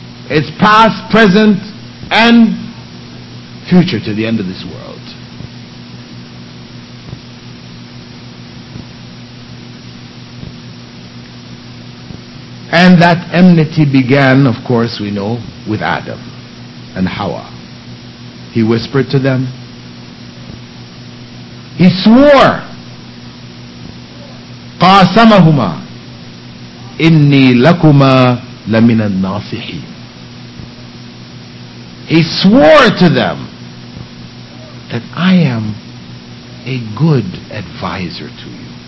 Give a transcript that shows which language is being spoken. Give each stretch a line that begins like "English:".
English: It's past, present, and future to the end of this world. And that enmity began, of course, we know, with Adam and Hawa. He whispered to them. He swore,
Arabic: قَاسَمَهُمَا إِنِّي لَكُمَا لَمِنَ النَّاصِحِينَ.
English: He swore to them that I am a good advisor to you.